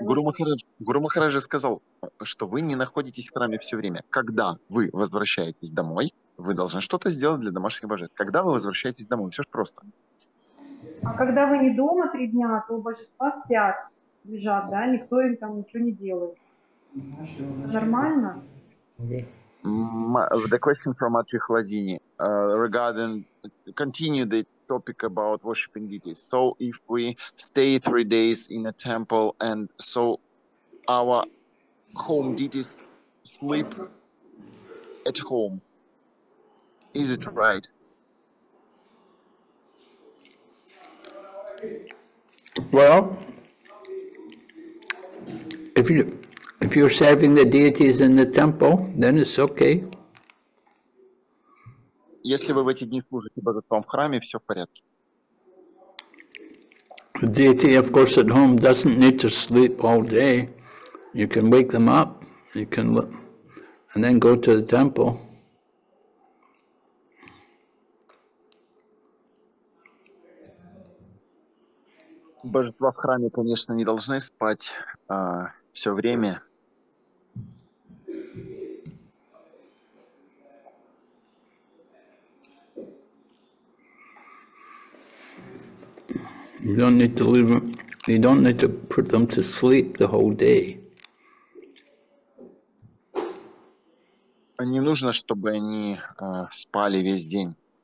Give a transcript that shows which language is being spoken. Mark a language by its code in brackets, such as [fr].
[ru] Маджи, Гуру Махараджи сказал, что вы не находитесь в храме все время. Когда вы возвращаетесь домой, вы должны что-то сделать для домашних божеств. Когда вы возвращаетесь домой, все же просто. А когда вы не дома 3 дня, то божества спят, лежат, да? Никто им там ничего не делает. Нормально? [en] The question from Matri Khaladini regarding continue the topic about worshiping deities. So if we stay 3 days in a temple and so our home deities sleep at home, is it right? Well, if you're serving the deities in the temple, then it's okay. [ru] Если вы в эти дни служите божествам в храме, все в порядке. [en] The deity, of course, at home doesn't need to sleep all day. You can wake them up, you can, and then go to the temple. [ru] Божества в храме, конечно, не должны спать все время. [en] You don't need to leave them. You don't need to put them to sleep the whole day. [ru] Не нужно, чтобы они спали весь день.